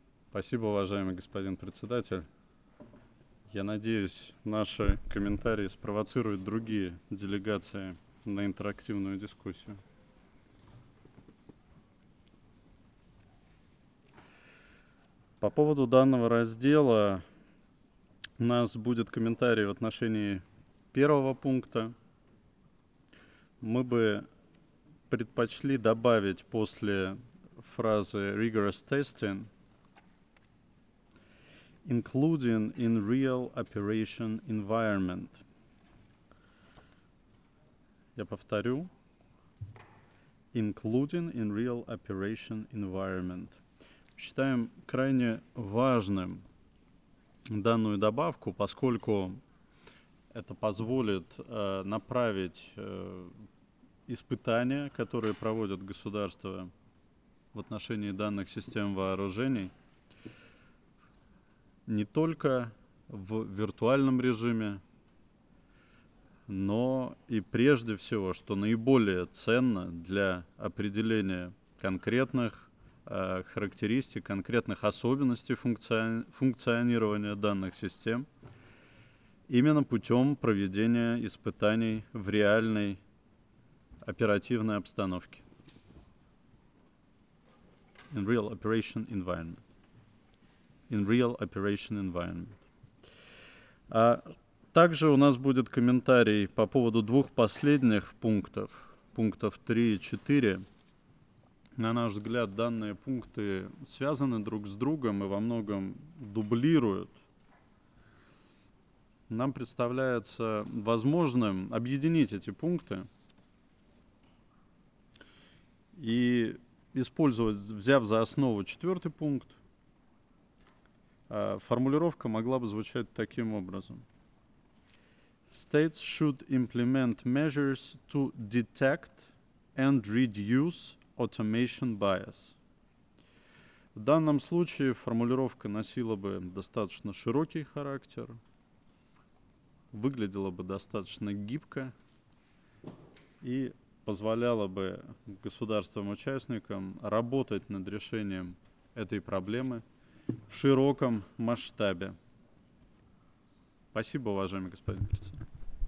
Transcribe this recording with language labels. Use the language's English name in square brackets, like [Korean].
[Russian] Спасибо, уважаемый господин председатель. Я надеюсь, наши комментарии спровоцируют другие делегации на интерактивную дискуссию. По поводу данного раздела у нас будет комментарий в отношении первого пункта. Мы бы предпочли добавить после фразы [English] rigorous testing including in real operation environment. [Russian] Я повторю. [English] Including in real operation environment. [Russian] Считаем крайне важным данную добавку, поскольку это позволит направить испытания, которые проводят государства в отношении данных систем вооружений, не только в виртуальном режиме, но и прежде всего, что наиболее ценно для определения конкретных характеристик, конкретных особенностей функционирования данных систем, именно путем проведения испытаний в реальной оперативной обстановке. [English] In real operation environment. In real operation environment. [Russian] А также у нас будет комментарий по поводу двух последних пунктов, пунктов 3 и 4. На наш взгляд, данные пункты связаны друг с другом и во многом дублируют. Нам представляется возможным объединить эти пункты и использовать, взяв за основу четвертый пункт, формулировка могла бы звучать таким образом. [English] States should implement measures to detect and reduce automation bias. [Russian] В данном случае формулировка носила бы достаточно широкий характер, выглядела бы достаточно гибко и позволяла бы государствам-участникам работать над решением этой проблемы в широком масштабе. Спасибо, уважаемый господин председатель.